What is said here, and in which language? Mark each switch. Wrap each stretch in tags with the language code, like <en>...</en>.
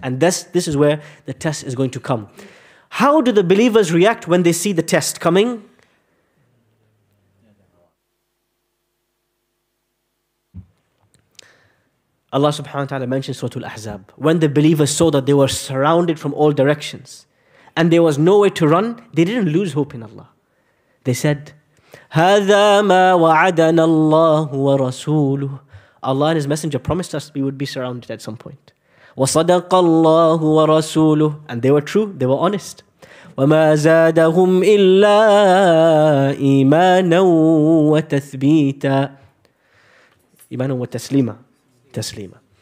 <en>And this is where the test is going to come. How do the believers react when they see the test coming? Allah subhanahu wa ta'ala mentions Surah Al-Ahzab. When the believers saw that they were surrounded from all directions and there was no way to run, they didn't lose hope in Allah. They said,</en> <ar>هَذَا مَا وَعَدَنَا اللَّهُ وَرَسُولُهُ.</ar> <en>Allah and His Messenger promised us we would be surrounded at some point.</en> <ar>وَصَدَقَ اللَّهُ وَرَسُولُهُ.</ar> <en>And they were true, they were honest.</en> <ar>وَمَا زَادَهُمْ إِلَّا إِيمَانًا وَتَثْبِيتًا. إِيمَانًا وَتَسْلِيمًا. تَسْلِيمًا.</ar>